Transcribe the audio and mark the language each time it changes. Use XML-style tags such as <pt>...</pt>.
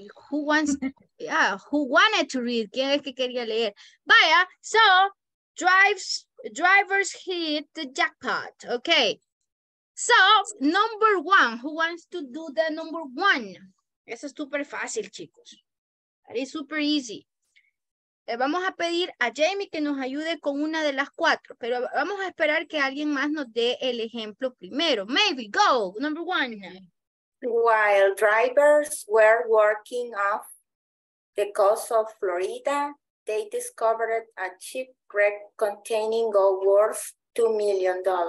<en>Who wanted to read?</en> <es>¿Quién es que quería leer?</es> <en>Vaya, so drivers hit the jackpot. Okay. So, number one, who wants to do the number one?</en> <es>Eso es súper fácil, chicos.</es> <en>That is super easy.</en> <es>Vamos a pedir a Jamie que nos ayude con una de las cuatro, pero vamos a esperar que alguien más nos dé el ejemplo primero.</es> <en>Maybe, go, number one. While drivers were working off the coast of Florida, they discovered a shipwreck containing gold worth $2 million.</en>